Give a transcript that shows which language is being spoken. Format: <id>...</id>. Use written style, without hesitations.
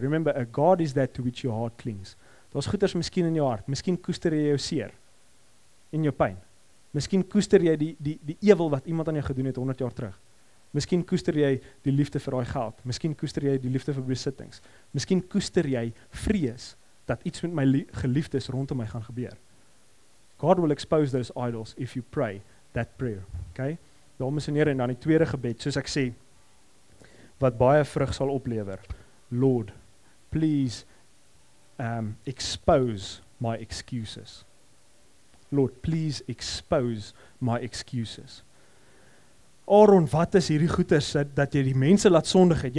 <en>Remember, a God is that to which your heart clings.</en> <af>Daar's goeders miskien in jou hart. Miskien koester jy jou seer en jou pyn. Miskien koester jy die ewel wat iemand aan jou gedoen het 100 jaar terug. Miskien koester jy die liefde vir daai geld. Miskien koester jy die liefde vir besittings. Miskien koester jy vrees dat iets met my geliefdes rondom my gaan gebeur.</af> <en>God will expose those idols if you pray that prayer. Okay?</en> <af>Dames en here, en dan die tweede gebed, soos ek sê, wat baie vrug sal oplever.</af> <en>Lord, please expose my excuses. Lord, please expose my excuses.</en> <af>Aaron, wat is hierdie goeders dat jy die mense laat sondig het?</af>